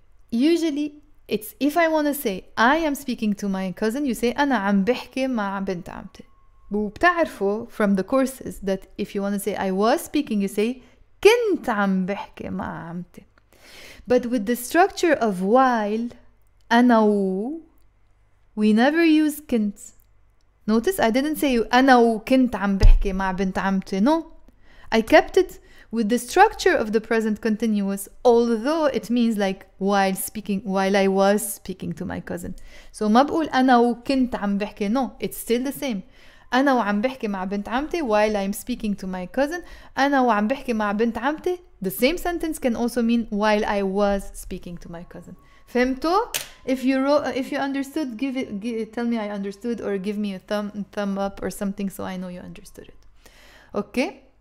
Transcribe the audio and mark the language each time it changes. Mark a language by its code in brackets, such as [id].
[en] Usually, it's if I want to say, I am speaking to my cousin, you say, [ar] أنا عم بحكي مع بنت عمتي. [en] وبتعرفوا from the courses that if you want to say, I was speaking, you say, [ar] كنت عم بحكي مع عمتي. [en] But with the structure of while, أنا و... We never use كنت. Notice I didn't say [ar] أنا وكنت عم بحكي مع بنت عمتي. [en] No. I kept it with the structure of the present continuous, although it means like while speaking, while I was speaking to my cousin. So [ar] ما بقول أنا وكنت عم بحكي. [en] No. It's still the same. [ar] أنا وعم بحكي مع بنت عمتي [en] while I'm speaking to my cousin. [ar] أنا وعم بحكي مع بنت عمتي. [en] The same sentence can also mean while I was speaking to my cousin. [ar] فهمتو? [en] If you wrote, if you understood, tell me I understood or give me a thumb up or something so I know you understood it. Okay?